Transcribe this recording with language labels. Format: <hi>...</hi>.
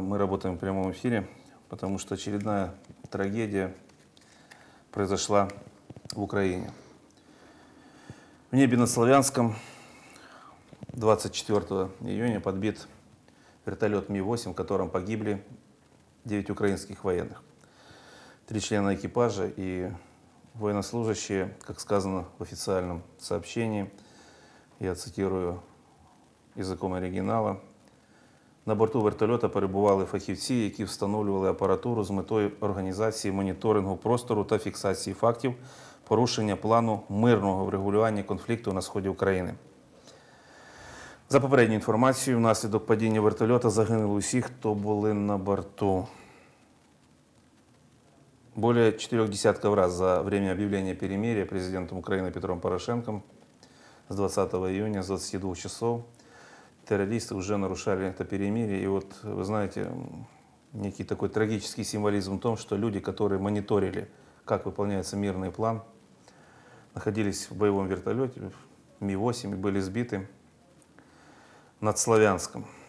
<ru>Мы работаем в прямом эфире, потому что очередная трагедия произошла в Украине. В небе над Славянском 24 июня подбит вертолет Ми-8, в котором погибли 9 украинских военных. 3 члена экипажа и военнослужащие, как сказано в официальном сообщении, я цитирую языком оригинала,</ru> <uk>на борту вертольота перебували фахівці, які встановлювали апаратуру з метою організації моніторингу простору та фіксації фактів порушення плану мирного врегулювання конфлікту на сході України. За попередньою інформацією, внаслідок падіння вертольота загинули усі, хто були на борту.</uk> <ru>Более 4 десятков раз за время объявления перемирия президентом Украины Петром Порошенком с 20 июня с 22 часов террористы уже нарушали это перемирие. И вот, вы знаете, некий такой трагический символизм в том, что люди, которые мониторили, как выполняется мирный план, находились в боевом вертолете, в Ми-8, и были сбиты над Славянском.</ru>